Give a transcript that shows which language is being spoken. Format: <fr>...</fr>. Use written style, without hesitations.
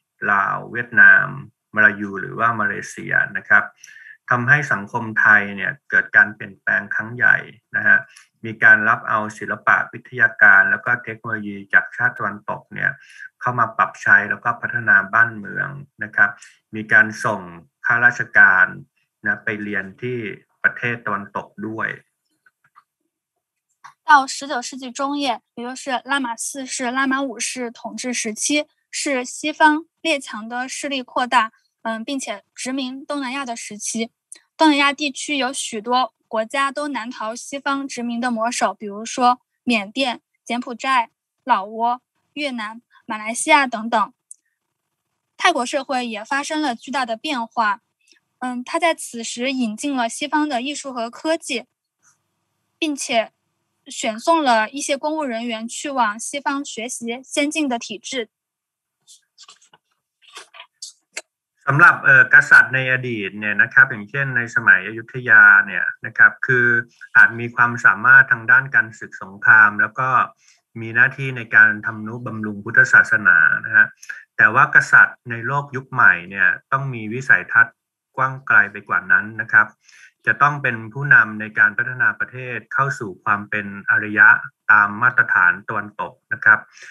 <th>ลาวเวียดนามมาลายูหรือว่ามาเลเซียนะครับทำให้สังคมไทยเนี่ยเกิดการเปลี่ยนแปลงครั้งใหญ่นะฮะมีการรับเอาศิลปะวิทยาการแล้วก็เทคโนโลยีจากชาติตะวันตกเนี่ยเข้ามาปรับใช้แล้วก็พัฒนาบ้านเมืองนะครับมีการส่งข้าราชการนะไปเรียนที่ประเทศตะวันตกด้วย</th> <zh>到19世纪中叶，也就是拉玛四世、拉玛五世统治时期，是西方列强的势力扩大，并且殖民东南亚的时期。东南亚地区有许多国家都难逃西方殖民的魔手，比如说缅甸、柬埔寨、老挝、越南、马来西亚等等。泰国社会也发生了巨大的变化，他在此时引进了西方的艺术和科技，并且选送了一些公务人员去往西方学习先进的体制。</zh> <th>สำหรับกษัตริย์ในอดีตเนี่ยนะครับอย่างเช่นในสมัยอยุธยาเนี่ยนะครับคืออาจมีความสามารถทางด้านการศึกสงครามแล้วก็มีหน้าที่ในการทำนุบำรุงพุทธศาสนานะฮะแต่ว่ากษัตริย์ในโลกยุคใหม่เนี่ยต้องมีวิสัยทัศน์กว้างไกลไปกว่านั้นนะครับจะต้องเป็นผู้นำในการพัฒนาประเทศเข้าสู่ความเป็นอริยะตามมาตรฐานตะวันตกนะครับ</th>